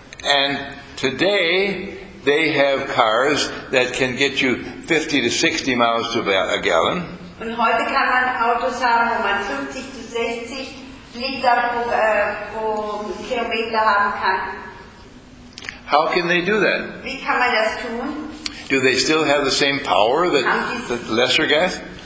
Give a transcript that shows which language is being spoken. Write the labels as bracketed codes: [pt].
[en] And today they have cars that can get you 50 to 60 miles to a gallon. [de] Und heute kann man Autos haben, wo man 50 to 60 Liter pro Kilometer haben kann. [en] How can they do that? [de] Wie kann man das tun? [en] Do they still have the same power that the lesser gas?